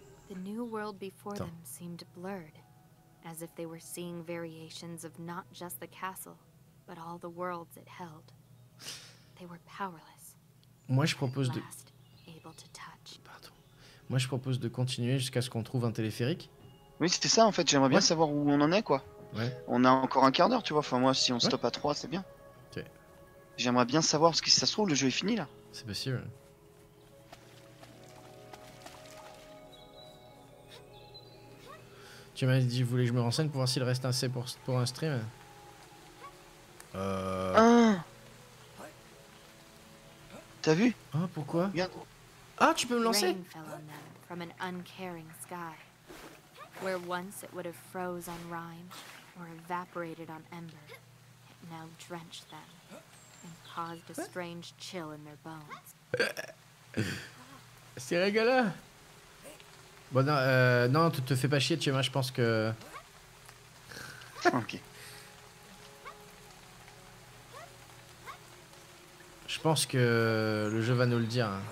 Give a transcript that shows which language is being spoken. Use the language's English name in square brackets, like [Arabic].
[English] The new world before them seemed blurred, as if they were seeing variations of not just the castle, but all the worlds it held. They were powerless. [French] Moi, je propose de continuer jusqu'à ce qu'on trouve un téléphérique. Oui, c'était ça, en fait. J'aimerais bien savoir où on en est, quoi. Ouais. On a encore un quart d'heure, tu vois. Enfin, moi, si on stoppe à 3, c'est bien. Ok. J'aimerais bien savoir, parce que si ça se trouve, le jeu est fini, là. C'est possible. Tu m'as dit, je voulais que je me renseigne pour voir s'il reste assez pour un stream. T'as vu? Ah, oh, pourquoi? Regarde. Ah, tu peux me lancer? [English] Rain fell on them from an uncaring sky. Where once it would have froze on rime or evaporated on ember, it now drenched them and caused a strange chill in their bones. [French] C'est rigolo. Bon, non, tu te fais pas chier, tu vois, je pense que... Ok. Je pense que le jeu va nous le dire.